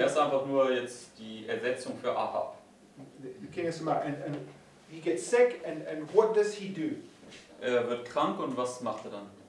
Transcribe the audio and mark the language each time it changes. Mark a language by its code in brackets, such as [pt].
[de] Ist einfach nur jetzt die Ersetzung für Ahab. [en] The king of Samaria, and he gets sick, and what does he do? [de] Er wird krank und was macht er dann?